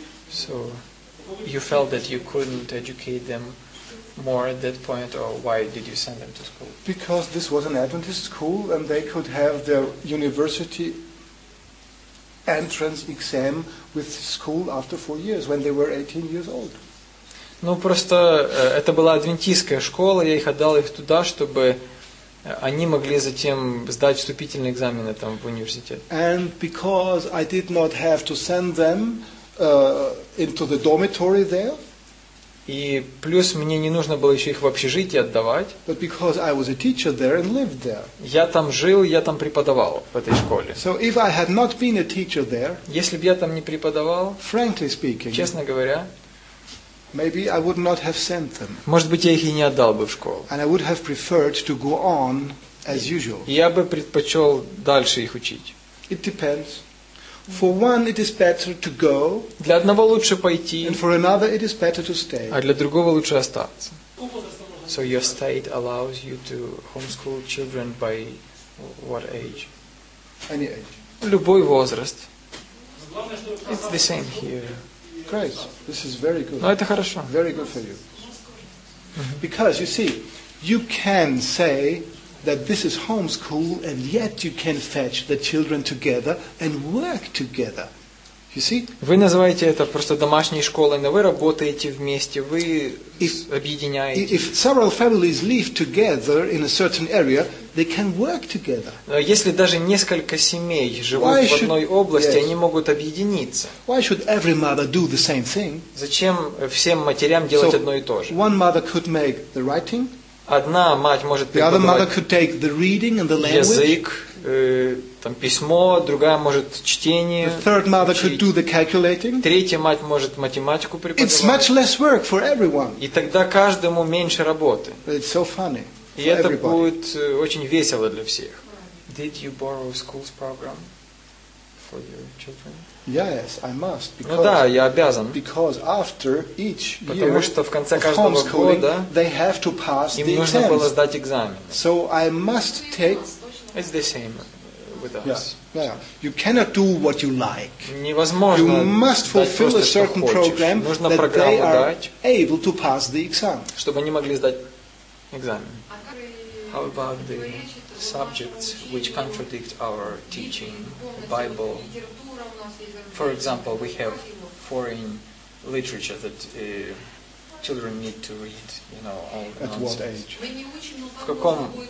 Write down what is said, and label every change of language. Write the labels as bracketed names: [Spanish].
[English] So you felt that you couldn't educate them more at that point, or why did you send them to school? Because this was an Adventist school and they could have their university entrance exam with school after 4 years when they were 18 years old. [Russian] Ну просто это была адвентистская школа, я их отдал их туда, чтобы они могли затем сдать вступительные экзамены там в университет. [English] And because I did not have to send them into the dormitory there. [Russian] И плюс мне не нужно было еще их в общежитие отдавать. [English] But because I was a teacher there and lived there. [Russian] Я там жил, я там преподавал в этой школе. [English] So if I had not been a teacher there, [Russian] если бы я там не преподавал, [English] frankly speaking, [Russian] честно говоря, [English] maybe I would not have sent them. [Russian] Может быть, я их и не отдал бы в школу. [English] And I would have preferred to go on as usual. [Russian] Я бы предпочел дальше их учить. [English] It depends. For one, it is better to go. [Russian] Для одного лучше пойти. [English] And for another, it is better to stay. [Russian] А для другого лучше остаться. [English] So your state allows you to homeschool children by what age? Any age. [Russian] Любой возраст. [English] It's the same here. Great. This is very good. [Russian] Но это хорошо. [English] Very good for you. Because you see, you can say that this is homeschool, and yet you can fetch the children together and work together. You see? [Russian] Вы называете это просто домашней школой, но вы работаете вместе, вы объединяете. [English] If several families live together in a certain area, they can work together. [Russian] Если даже несколько семей живут в одной области, они могут объединиться. [English] Why should every mother do the same thing? [Russian] Зачем всем матерям делать одно и то же? [English] One mother could make the writing. [Russian] Одна мать может преподавать язык, там письмо, другая может чтение. [English] The third mother could do the calculating. [Russian] Третья мать может математику преподавать. [English] It's much less work for everyone. [Russian] И тогда каждому меньше работы. [English] It's so funny. [Russian] И это будет очень весело для всех. [English] Did you borrow school's program for your children? Yes, I must. [Russian] Ну да, я обязан. [English] Because after each year, [Russian] потому что в конце каждого года [English] they have to pass [Russian] им нужно [English] exams. [Russian] Было сдать экзамен. [English] So I must take. It's the same with us. Yeah. You cannot do what you like. [Russian] Невозможно. [English] You must fulfill [Russian] просто, [English] a certain program [Russian] нужно [English] that they are [Russian] дать, [English] able to pass the exam. [Russian] Чтобы они могли сдать экзамен. [English] How about the subjects which contradict our teaching, Bible? For example, we have foreign literature that children need to read, you know, all the at nonsense. What age?